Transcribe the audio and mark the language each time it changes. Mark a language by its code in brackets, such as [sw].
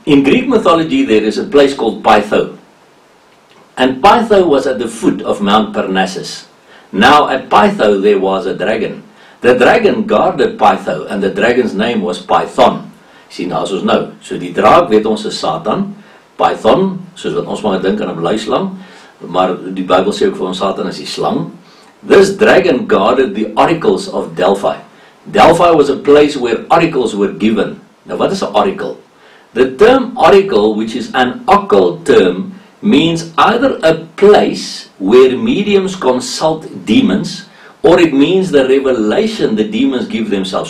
[en] In Greek mythology there is a place called Pytho. And Pytho was at the foot of Mount Parnassus. Now at Pytho there was a dragon. The dragon guarded Pytho and the dragon's name was Python. [af] Sien, daar is ons nou. So die draak weet ons is Satan. Python, soos wat ons maar dink aan 'n luislang. Maar die Bybel sê ook vir ons Satan is die slang. [en] This dragon guarded the oracles of Delphi. Delphi was a place where oracles were given. Now what is an oracle? The term oracle, which is an occult term, means either a place where mediums consult demons, or it means the revelation the demons give themselves.